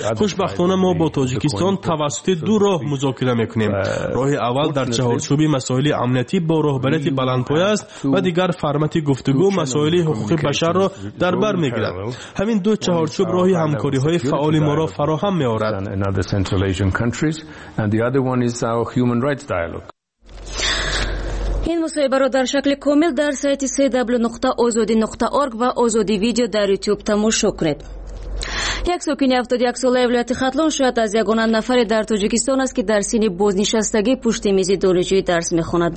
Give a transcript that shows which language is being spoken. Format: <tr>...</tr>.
<fa>خوشبختانه ما با تاجیکستان توسط دو راه مذاکره میکنیم. راه اول در چهارچوب مسائل امنیتی با رهبریت بلندپایه است و دیگر فرمت گفتگو مسائل حقوق بشر را در بر میگیرد. همین دو چهارچوب راه همکاری های فعال ما را فراهم میآورد.</fa> <en>And the other one is our human rights dialogue.</en> <fa>این مصاحبه را در شکل کامل در سایت www.ozodi.org و ozodi video در یوتیوب تماشا کنید. یک سکینی 71 ساله ولایت خطلان شاید از یگانه نفری در تاجیکستان است که در سن بازنشستگی پشت میز دانشجویی درس میخواند.</fa>